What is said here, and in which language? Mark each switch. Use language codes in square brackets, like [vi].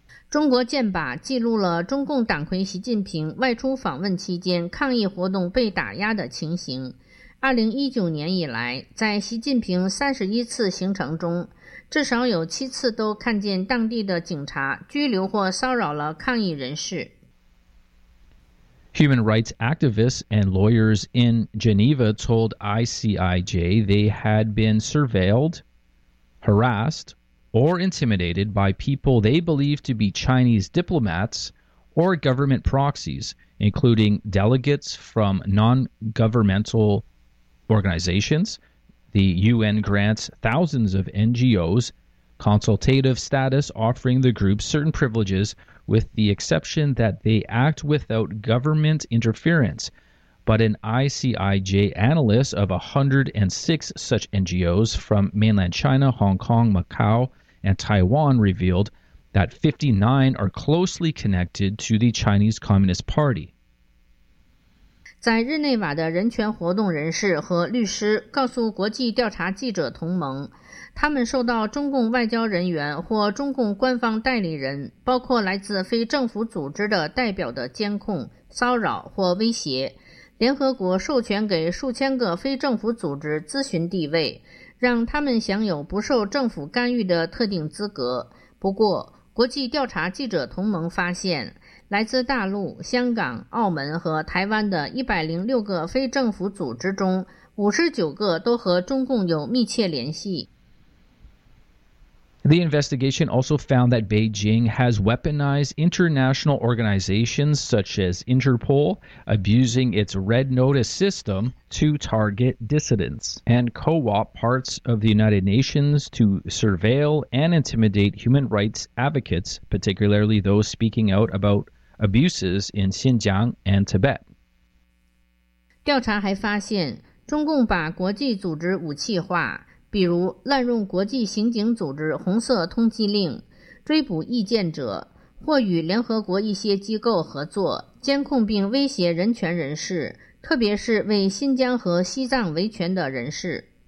[zh] 中国剑靶记录了中共党魁习近平外出访问期间抗议活动被打压的情形。 2019年以来，在习近平31次行程中，至少有7次都看见当地的警察拘留或骚扰了抗议人士。 [en] Human rights activists and lawyers in Geneva told ICIJ they had been surveilled, harassed,or intimidated by people they believe to be Chinese diplomats or government proxies, including delegates from non-governmental organizations. The UN grants thousands of NGOs consultative status, offering the group certain privileges with the exception that they act without government interference. But an ICIJ analyst of 106 such NGOs from mainland China, Hong Kong, Macau,and Taiwan revealed that 59 are closely connected to the Chinese Communist Party. [zh] 在日内瓦的人权活动人士和律师告诉国际调查记者同盟，他们受到中共外交人员或中共官方代理人，包括来自非政府组织的代表的监控、骚扰或威胁。联合国授权给数千个非政府组织咨询地位，让他们享有不受政府干预的特定资格。不过，国际调查记者同盟发现，来自大陆、香港、澳门和台湾的106个非政府组织中， 59个都和中共有密切联系。 [en] The investigation also found that Beijing has weaponized international organizations such as Interpol, abusing its red notice system to target dissidents, and co-opt parts of the United Nations to surveil and intimidate human rights advocates, particularly those speaking out about abuses in Xinjiang and Tibet. [zh] 调查还发现，中共把国际组织武器化，比如滥用国际刑警组织红色通缉令追捕意见者，或与联合国一些机构合作监控并威胁人权人士，特别是为新疆和西藏维权的人士。